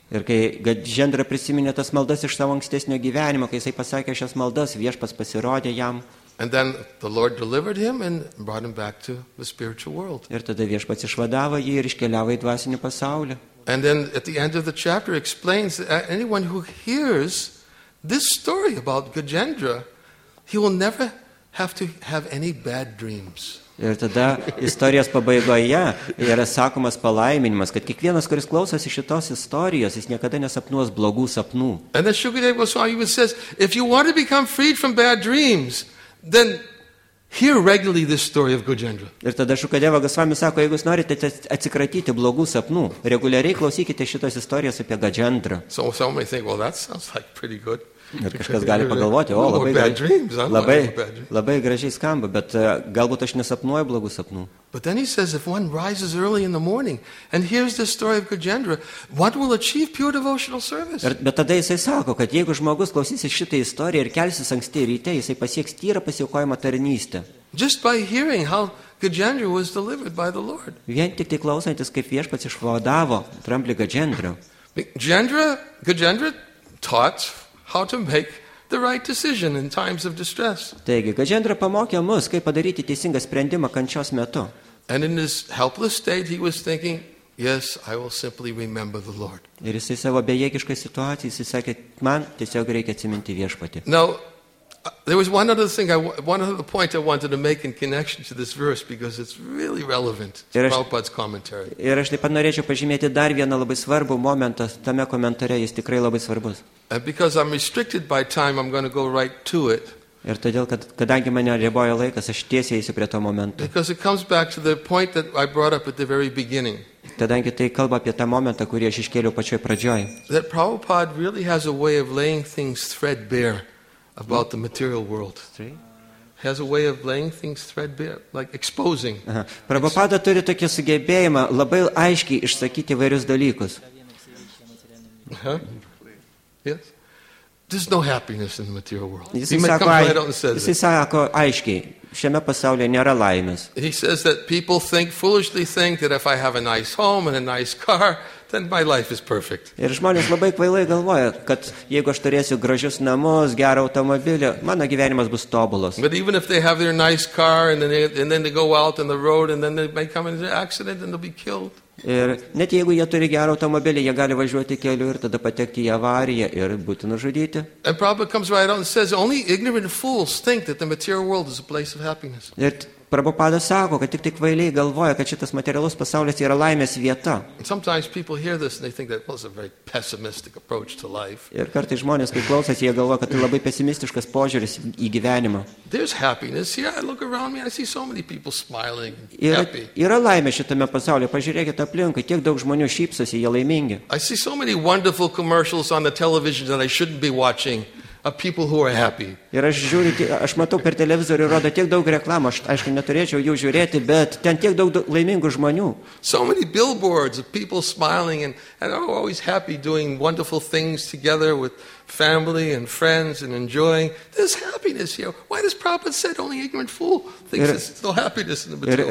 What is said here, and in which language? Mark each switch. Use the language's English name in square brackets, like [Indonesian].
[Lithuanian] Ir kai Gajendra prisiminė tas maldas iš savo ankstesnio gyvenimo, kai jisai pasakė šias maldas, Viešpats pasirodė jam. [English] And then the Lord delivered him and brought him back to the spiritual world. [Lithuanian] Ir tada Viešpats išvadavo jį ir iškeliavo į dvasinį pasaulį. [English] And then at the end of the chapter explains that anyone who hears this story about Gajendra, he will never have to have any bad dreams. [Lithuanian] Ir tada istorijos pabaigoje yra sakomas palaiminimas, kad kiekvienas, kuris klausosi šitos istorijos, jis niekada nesapnuos blogų sapnų. [English] And the Shukadeva Swami says, if you want to become freed from bad dreams, then hear regularly this story of Gajendra. [Lithuanian] Ir tada Shukadeva Goswami sako, jeigu jūs norite atsikratyti blogų sapnų, reguliariai klausykite šitos istorijos apie Gajendra. [English] So some may think, well, that sounds like pretty good. [Lithuanian] Ir kažkas gali pagalvoti, o labai, labai, labai gražiai skamba, bet galbūt aš nesapnuoju blogų sapnų. [English] But then he says, if one rises early in the morning and hears the story of Gajendra, what will achieve pure devotional service? [Lithuanian] Bet tada jisai sako, kad jeigu žmogus klausysis šitą istoriją ir kelsis anksti ryte, jisai pasieks tyrą pasiaukojimo tarnystę. [English] Just by hearing how Gajendra was delivered by the Lord. [Lithuanian] Vien tik tai klausantis, kaip Viešpats išvadavo dramblį Gajendra. [English] Gajendra taught how to make the right decision in times of distress. [Lithuanian] Taigi, Gajendra pamokė mus, kaip padaryti teisingą sprendimą kančios metu. [English] And in his helpless state, he was thinking, yes, I will simply remember the Lord. [Lithuanian] Ir jisai savo bejėgiškoj situacijai, jisai sakė, man tiesiog reikia atsiminti Viešpatį. [English] Now, there was one other point I wanted to make in connection to this verse, because it's really relevant to Prabhupada's commentary. [Lithuanian] Ir aš taip pat norėčiau pažymėti dar vieną labai svarbų momentą tame komentare, jis tikrai labai svarbus. [English] And because I'm restricted by time, I'm going to go right to it. [Lithuanian] Ir todėl, kad kadangi mane riboja laikas, aš tiesiai eisiu prie to momento. [English] Because it comes back to the point that I brought up at the very beginning. [Lithuanian] Kadangi tai kalba apie tą momentą, kurį aš iškėliau pačioj pradžioj. [English] That Prabhupada really has a way of laying things threadbare about the material world. He has a way of laying things threadbare, like exposing. [Lithuanian] Prabhupada turi tokį sugebėjimą labai aiškiai išsakyti įvairius dalykus. [English] Yes. There's no happiness in the material world. [Lithuanian] Jisai sako aiškiai, šiame pasaulyje nėra laimės. [English] He says that people think, foolishly think, that if I have a nice home and a nice car, then my life is perfect. [Lithuanian] Ir žmonės labai kvailai galvoja, kad jeigu aš turėsiu gražius namus, gerą automobilį, mano gyvenimas bus tobulas. [English] But even if they have their nice car and then they go out on the road and then they may come into an accident and they'll be killed. [Lithuanian] Ir net jeigu jie turi gerą automobilį, jie gali važiuoti keliu ir tada patekti į avariją ir būti nužudyti. [English] And Prabhupada comes right out and says, only ignorant fools think that the material world is a place of happiness. [Lithuanian] Ir Prabhupada sako, kad tik kvailiai galvoja, kad šitas materialus pasaulis yra laimės vieta. Ir kartais žmonės, kai klausosi, jie galvoja, kad tai labai pesimistiškas požiūris į gyvenimą. Yra laimė šitame pasaulyje, pažiūrėkite aplinkai, kiek daug žmonių šypsosi, jie laimingi. [English] I see so many wonderful commercials on the television that I shouldn't be watching. [Lithuanian] Ir aš matau per televizorių rodo tiek daug reklamų, aš aišku neturėčiau jų žiūrėti, bet ten tiek daug laimingų žmonių. [English] So many billboards of people smiling and always happy doing wonderful things together with family and friends and enjoying this happiness here. Why does Prabhupada said only ignorant fool thinks there's still happiness in the material?